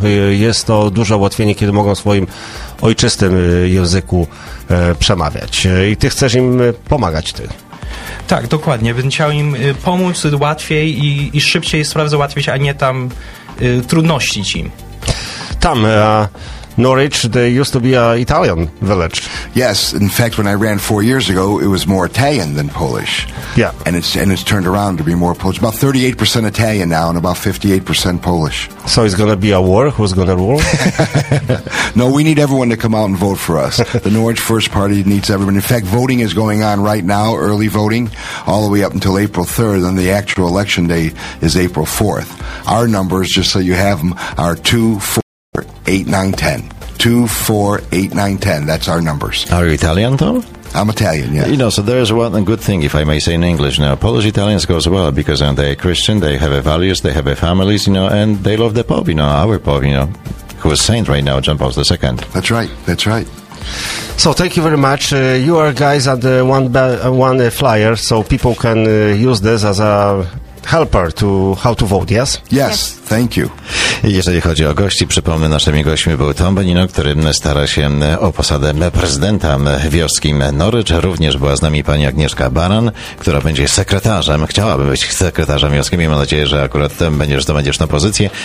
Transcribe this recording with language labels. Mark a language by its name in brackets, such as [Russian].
[Polish] Jest to duże ułatwienie, kiedy mogą w swoim ojczystym języku przemawiać. I ty chcesz im pomagać, ty. Tak, dokładnie. Bym chciał im pomóc łatwiej i szybciej sprawy załatwić, a nie tam trudności im. [English] Tam, Norwich, they used to be an Italian village. Yes, in fact, when I ran 4 years ago, it was more Italian than Polish. Yeah. And it's turned around to be more Polish. About 38% Italian now and about 58% Polish. So it's going to be a war? Who's going to rule? No, we need everyone to come out and vote for us. The Norwich First Party needs everyone. In fact, voting is going on right now, early voting, all the way up until April 3rd, and the actual election day is April 4th. Our numbers, just so you have them, are 2, 4, 8, 9, 10. 2, 4, 8, 9, 10. That's our numbers. Are you Italian, Tom? I'm Italian, yeah. You know, so there is one good thing, if I may say in English. Now, Polish Italians go as well because they are Christian, they have values, they have families, you know, and they love the Pope, you know, our Pope, you know, who is saint right now, John Paul II. That's right. So thank you very much. You are guys at the one flyer, so people can use this as a helper to how to vote, yes? Yes, thank you. [Polish] Jeżeli chodzi o gości, przypomnę, naszymi gośćmi był Tom Benino, który stara się o posadę prezydenta wioski Norwich. Również była z nami pani Agnieszka Baran, która będzie sekretarzem. Chciałaby być sekretarzem wioski. Miejmy nadzieję, że akurat zdobędziesz tą pozycję.